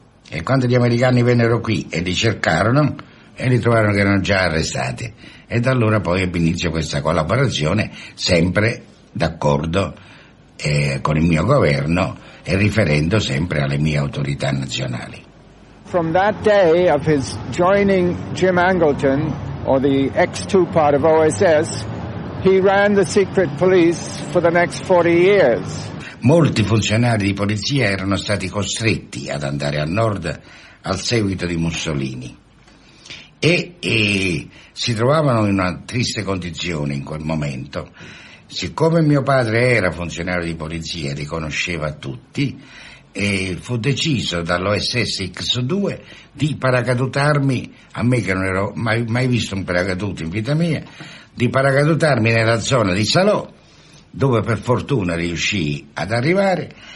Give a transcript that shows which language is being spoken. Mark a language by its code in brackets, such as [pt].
[it] E quando gli americani vennero qui e li cercarono, e li trovarono che erano già arrestati, e da allora poi ebbe inizio questa collaborazione, sempre d'accordo con il mio governo e riferendo sempre alle mie autorità nazionali. [en] From that day of his joining Jim Angleton, or the X2 part of OSS, he ran the secret police for the next 40 years. [it] Molti funzionari di polizia erano stati costretti ad andare a nord al seguito di Mussolini e si trovavano in una triste condizione in quel momento. Siccome mio padre era funzionario di polizia e li conosceva tutti, e fu deciso dall'OSS X2 di paracadutarmi, a me che non ero mai visto un paracadute in vita mia, di paracadutarmi nella zona di Salò, dove per fortuna riuscii ad arrivare